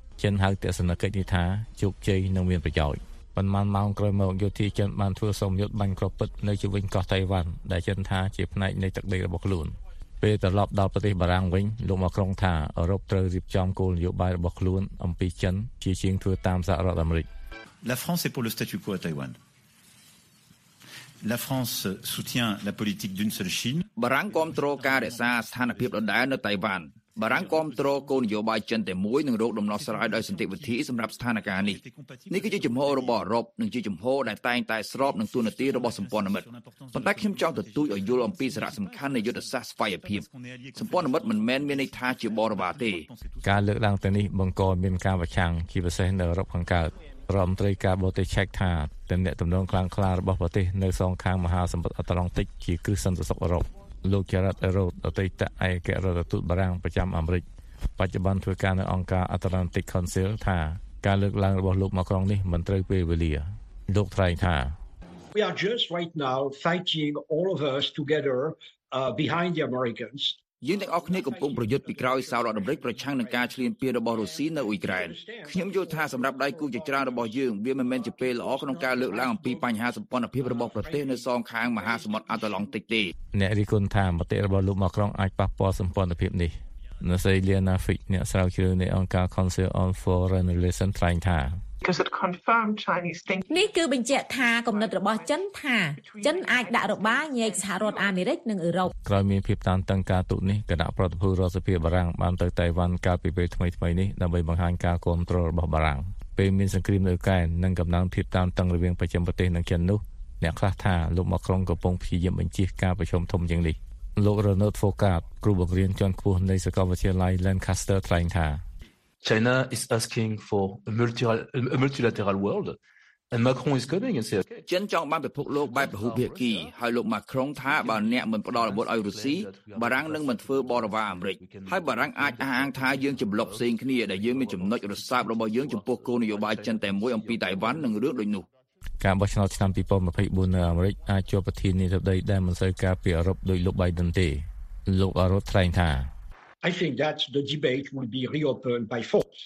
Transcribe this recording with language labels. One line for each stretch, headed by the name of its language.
Khmer: ចិនហៅទស្សនកិច្ចនេះថាជោគជ័យនិងមានប្រយោជន៍ប៉ុន្មានម៉ោងក្រោយមកយោធាចិនបានធ្វើសម្ពោធបាញ់គ្រាប់ពេជ្រនៅជុំវិញកោះតៃវ៉ាន់ដែលចិនថាជាផ្នែកនៃទឹកដីរបស់ខ្លួនពេលត្រឡប់ដល់ប្រទេសបារាំងវិញលោកម៉ាក្រុងថាអឺរ៉ុបត្រូវរៀបចំគោលនយោបាយរបស់ខ្លួនអំពីចិនជាជាងធ្វើតាមសហរដ្ឋអាមេរិក
French: La France est pour le statu quo à Taïwan. La France soutient la politique d'une seule Chine.
Khmer: បារាំងគាំទ្រការរក្សាស្ថានភាពដដែលនៅតៃវ៉ាន់បារាំងគាំទ្រគោលនយោបាយចិនតែមួយនឹងរោគដំណោះស្រាយដោយសន្តិវិធីសម្រាប់ស្ថានភាពនេះនេះគឺជាជំហររបស់អឺរ៉ុបនិងជាជំហរដែលតែងតែស្របនឹងទូនាទីរបស់សម្ព័ន្ធមិត្តប៉ុន្តែខ្ញុំចង់ទទូចឲ្យយល់អំពីសារៈសំខាន់នៃយុទ្ធសាស្ត្រស្វ័យភាពសម្ព័ន្ធមិត្តមិនមែនមានន័យថាជាបរិវារទេ ការលើកឡើងទៅនេះបង្កមានការប្រឆាំងជាពិសេសនៅអឺរ៉ុបខាងកើតរដ្ឋមន្ត្រីការបរទេសឆែកថាតំណែងតំណងខ្លាំងខ្លារបស់ប្រទេសនៅសងខាងមហាសមុទ្រអត្លង់ទិកជាគ្រឹះសន្តិសុខអឺរ៉ុបលោកជារ៉ាត់រ៉ូតអតីតឯកអគ្គរដ្ឋទូតបារាំងប្រចាំអាមេរិកបច្ចុប្បន្នធ្វើការនៅអង្គការ Atlantic Council ថាការលើកឡើងរបស់លោកម៉ាក្រុងនេះមិនត្រូវពេលវេលាលោកថ្លែងថា
English: We are just right now fighting all of us together behind the Americans
Khmer: យើងទាំងអស់គ្នាកំពុងប្រយុទ្ធពីក្រោយសហរដ្ឋអាមេរិកប្រឆាំងនឹងការឈ្លានពានរបស់រុស្ស៊ីនៅអ៊ុយក្រែនខ្ញុំយល់ថាសម្រាប់ដៃគូជាច្រើនរបស់យើងវាមិនមែនជាពេលល្អក្នុងការលើកឡើងអំពីបញ្ហាសម្ព័ន្ធភាពរបស់ប្រទេសនៅសងខាងមហាសមុទ្រអាត្លង់ទិកទេ អ្នករិះគន់ថាមតិរបស់លោកម៉ាក្រុងអាចប៉ះពាល់សម្ព័ន្ធភាពនេះនៅសេលីណាហ្វិកអ្នកស្រាវជ្រាវនៃអង្គការ Council on Foreign Relations ថ្លែងថា
English: គឺ confirmed Chinese thinking
Khmer: នេះគឺបញ្ជាក់ថាគំនិតរបស់ចិនថាចិនអាចដាក់របារញែកសហរដ្ឋអាមេរិកនិងអឺរ៉ុប ក្រោយមានភាពតានតឹងការទូតនេះគណៈប្រតិភូរដ្ឋសភាបារាំងបានទៅតៃវ៉ាន់កាលពីពេលថ្មីៗនេះដើម្បីបង្ហាញការគ្រប់គ្រងរបស់បារាំងពេលមានសង្គ្រាមនៅកែននិងកំណត់ភាពតានតឹងរវាងប្រចាំប្រទេសនិងចិននោះអ្នកខ្លះថាលោកម៉ាក្រុងកំពុងព្យាយាមបញ្ជាការប្រជុំធំជាងនេះលោករ៉ូណូដហ្វូកាតគ្រូបង្រៀនជាន់ខ្ពស់នៃសាកលវិទ្យាល័យ Lancaster ថ្លែងថា
English: China is asking for a multilateral world and Macron is coming and say okay
Khmer: ចិនចង់បានពិភពលោកបែបពហុភាគីហើយលោក Macron ថាបើអ្នកមិនផ្ដល់អាវុធឲ្យរុស្ស៊ីបារាំងនឹងមិនធ្វើបរិវារអាមេរិកហើយបារាំងអាចអះអាងថាយើងជាប្លុកផ្សេងគ្នាដែលយើងមានចំណុចរសើបរបស់យើងចំពោះគោលនយោបាយចិនតែមួយអំពីតៃវ៉ាន់និងរឿងដូចនោះ ការបោះឆ្នោតឆ្នាំ2024នៅអាមេរិកអាចជួបប្រធានាធិបតីដែលមិនសូវការពីអឺរ៉ុបដោយលោក Biden ទេលោក Arrot ថ្លែងថា
English: I think that the debate will be reopened by force.